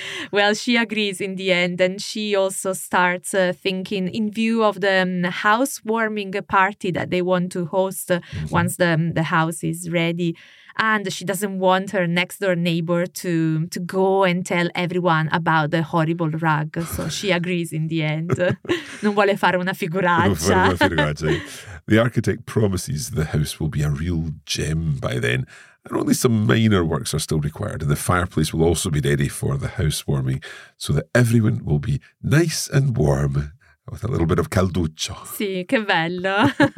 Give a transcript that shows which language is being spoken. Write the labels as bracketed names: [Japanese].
[English] Well, she agrees in the end, and she also starts thinking in view of the housewarming party that they want to host once the house is ready. And she doesn't want her next door neighbor to go and tell everyone about the horrible rug. So she agrees in the end. [Italian] Non vuole fare una figuraccia. [English] The architect promises the house will be a real gem by then. And only some minor works are still required. And the fireplace will also be ready for the housewarming so that everyone will be nice and warm with a little bit of calduccio. [Italian] Sì, che bello.